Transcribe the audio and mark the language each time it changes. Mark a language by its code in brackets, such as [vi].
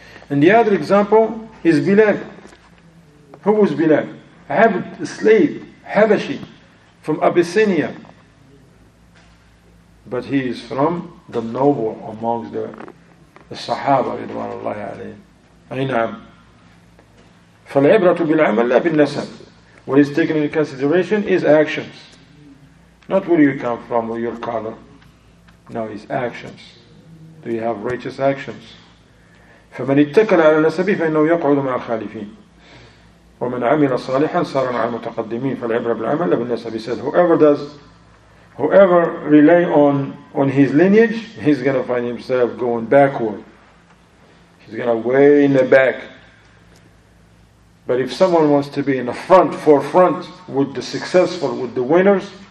[en] And the other example is Bilal. Who was Bilal? Abd, a slave, Habashi, from Abyssinia. But he is from the noble amongst the Sahaba [ar] رضوان الله عليهم. أي نعم. فالعبرة بالعمل لا بالنسب. [en] What is taken into consideration is actions, not where you come from or your color. No, it's actions. Do you have righteous actions? [ar] فمن اتكل على النسب فإنه يقعد مع الخالفين. ومن عمل صالحا صار مع المتقدمين. فالعبرة بالعمل لا بالنسب. [en] He said, whoever rely on his lineage, he's going to find himself going backward. He's going to way in the back. But if someone wants to be in the front, forefront, with the successful, with the winners,